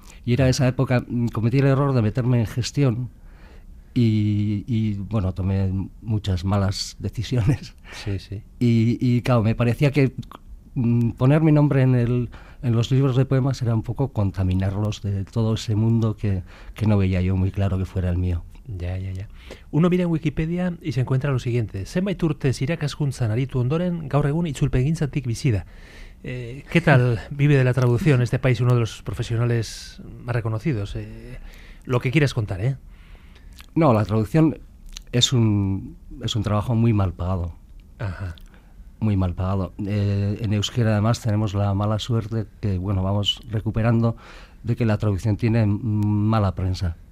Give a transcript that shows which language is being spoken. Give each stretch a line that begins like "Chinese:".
Spanish: Y era esa época, cometí el error de meterme en gestión y bueno, tomé muchas malas decisiones. Sí, sí. Y claro, me parecía que poner mi nombre en los libros de poemas era un poco contaminarlos de todo ese mundo que no veía yo muy claro que fuera el mío. Ya. Uno mira en Wikipedia y se encuentra lo siguiente.
Basque: Zenbait urtez irakaskuntzan aritu ondoren, gaur egun itzulpengintzatik bizida.
Spanish: ¿Qué tal vive de la traducción este país, uno de los profesionales más reconocidos? Lo que quieras contar, ¿eh? No, la traducción es un trabajo muy mal pagado. Ajá. Muy mal pagado. En euskera, además, tenemos la mala suerte que, bueno, vamos recuperando de que la traducción tiene mala prensa.